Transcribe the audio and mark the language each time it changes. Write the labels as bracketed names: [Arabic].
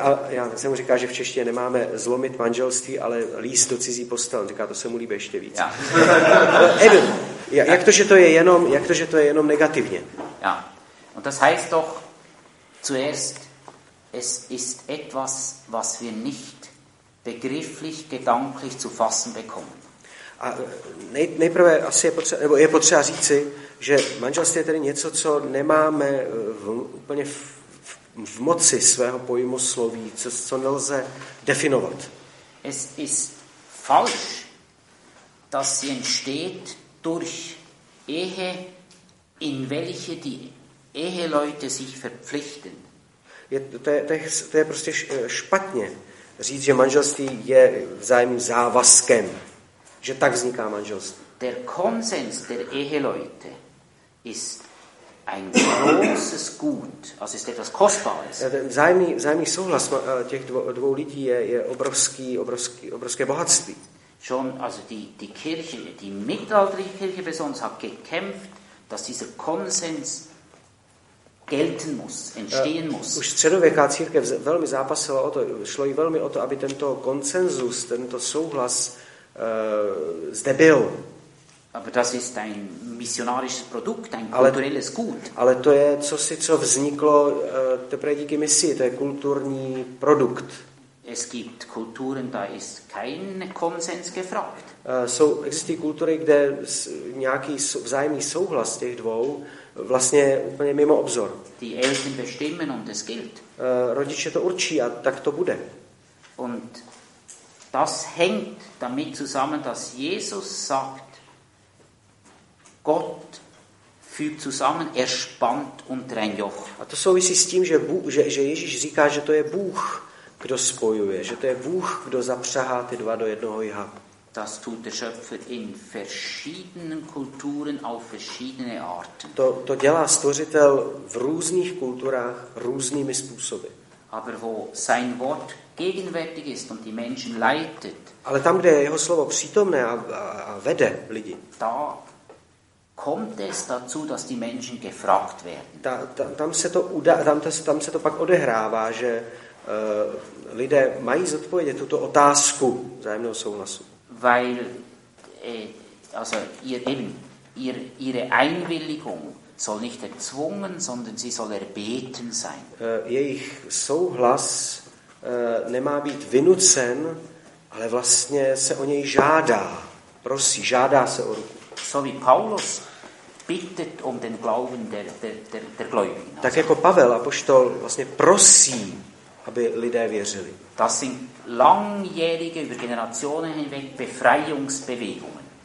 [Czech] Já se mu říká, že v češtině nemáme zlomit manželství, ale líst do cizí postel. Říká, to se mu líbí ještě víc. [German] Ja. [Czech] Eben, jak to, že to je jenom, jak to, že to je jenom negativně? [German] Ja, und das heißt doch zuerst, es ist etwas, was wir nicht begrifflich, gedanklich zu fassen bekommen. [Czech] A nejprve asi je potřeba říci, že manželství je tedy něco, co nemáme úplně v moci svého pojmu sloví, co nelze definovat. [German] Es ist falsch, dass sie entsteht durch Ehe, in welche die Eheleute sich verpflichten. [Czech] To je prostě špatně říct, že manželství je vzájemným závazkem, že tak vzniká manželství. [German] Der Konsens der Eheleute ist ein großes Gut, also ist etwas Kostbares. [Czech] Vzájemný souhlas těch dvou lidí je obrovské bohatství. [German] Schon also die Kirche, die mittelalterliche Kirche besonders hat gekämpft, dass dieser Konsens gelten muss, entstehen muss. [Czech] Už středověká církev velmi zápasila o to, šlo jí velmi o to, aby tento konsenzus, tento souhlas zde byl. [German] Aber das ist ein missionarisches Produkt, ein kulturelles Gut. [Czech] Ale to je cosi, co vzniklo teprve díky misi, to je kulturní produkt. [German] Es gibt Kulturen, da ist kein Konsens gefragt. [Czech] Existují kultury, kde nějaký vzájemný souhlas těch dvou vlastně úplně mimo obzor. [German] Die Eltern bestimmen und es gilt. [Czech] Rodiče to určí a tak to bude. [German] Und das hängt damit zusammen, dass Jesus sagt, Gott fügt zusammen, er spannt unter ein Joch. [Czech] A to souvisí s tím, že Ježíš říká, že to je Bůh, kdo spojuje, že to je Bůh, kdo zapřahá ty dva do jednoho jha. [German] Das tut der Schöpfer in verschiedenen Kulturen auf verschiedene Arten. [Czech] To dělá Stvořitel v různých kulturách různými způsoby. [German] Aber wo sein Wort gegenwärtig ist und die Menschen leitet. [Czech] Ale tam, kde je jeho slovo přítomné a vede lidi. [German] Da kommt es dazu, dass die Menschen gefragt werden. [Czech] Tam se to pak odehrává, že lidé mají zodpovědět tuto otázku vzájemného souhlasu. [German] Weil also ihre Einwilligung soll nicht erzwungen, sondern sie soll erbeten sein. [Czech] Jejich souhlas nemá být vynucen, ale vlastně se o něj žádá. Prosí, žádá se o ruku. [German] So wie Paulus bittet um den Glauben der Gläubigen. [Czech] Tak jako Pavel apoštol vlastně prosí, aby lidé věřili. [German] Das sind langjährige über Generationen hinweg Befreiungsbewegungen.